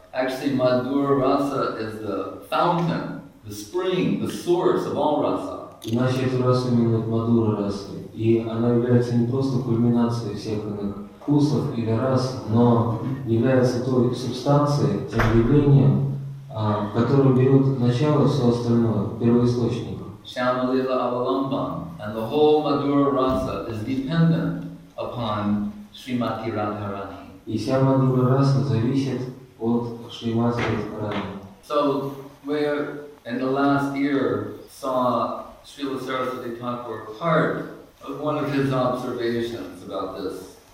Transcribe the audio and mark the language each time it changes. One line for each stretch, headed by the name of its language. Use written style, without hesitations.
English: Actually, мадхура раса is the fountain, the spring, the source of all раса.
Russian: Иначе эту расу именуют мадхура расой. И она является не просто кульминацией всех иных вкусов или раз, но является той субстанцией, тем явлением, которое берет начало все остальное, первоисточником.
English: Shyamalila Avalambam, and the whole Madhura Rasa is dependent upon Srimati Radharani.
Russian: И вся Madhura Rasa зависит от Шримати Радхарани.
English: So, we in the last year saw Srila Saraswati Thakur part of one of his observations about this.